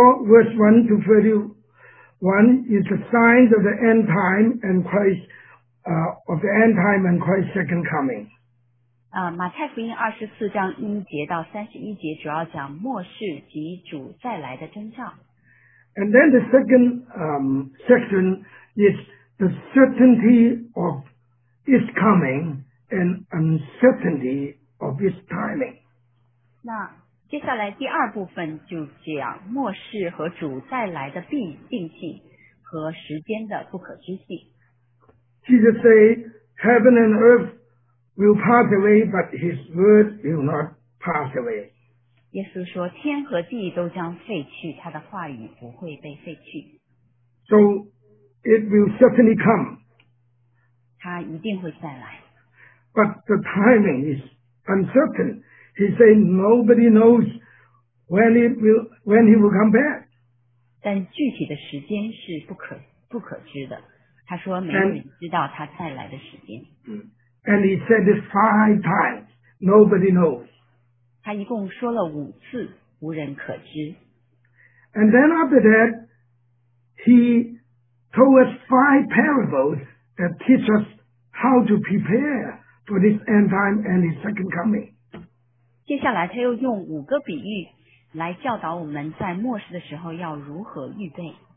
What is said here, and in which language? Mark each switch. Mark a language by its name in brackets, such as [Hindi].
[English] 24:1-31 is the signs of the end time and Christ, of the end time and Christ's second coming. [Chinese] 马太福音24章1节到31节主要讲末世及主再来的征兆。 [English] And then the second section is the certainty of its coming and uncertainty of its timing. [Chinese] 那接下来第二部分就讲末世和主再来的定性和时间的不可知性。 [English] Jesus said, "Heaven and earth will pass away, but His word will not pass away." [Chinese] 耶稣说，天和地都将废去，他的话语不会被废去。 [English] So it will certainly come. [Chinese] 他一定会再来。 [English] But the timing is uncertain. He said, "Nobody knows when he will come back." [Chinese] 但具体的时间是不可知的。他说没有人知道他再来的时间。 [English] And he said this 5 times. Nobody knows. [Chinese] 他一共说了5次，无人可知。 [English] And then after that, he told us 5 parables that teach us how to prepare for this end time and his second coming. [Chinese] 接下来他又用5个比喻来教导我们在末世的时候要如何预备。